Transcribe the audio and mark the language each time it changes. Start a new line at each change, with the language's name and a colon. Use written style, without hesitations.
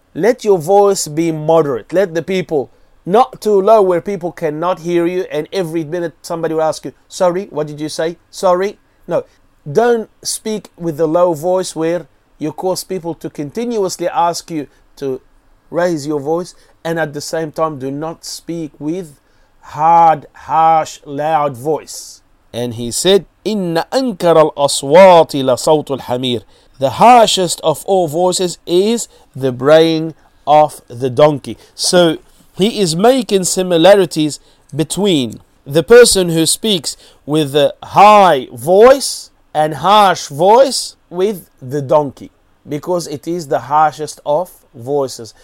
English: Let your voice be moderate. Let the people, not too low where people cannot hear you and every minute somebody will ask you, sorry, what did you say? Sorry? No. Don't speak with the low voice where you cause people to continuously ask you to raise your voice, and at the same time do not speak with hard, harsh, loud voice.
Arabic: And he said, إِنَّ أَنْكَرَ الْأَصْوَاتِ لَصَوْتُ الْحَمِيرِ.
English: The harshest of all voices is the braying of the donkey. So he is making similarities between the person who speaks with a high voice and harsh voice with the donkey, because it is the harshest of voices.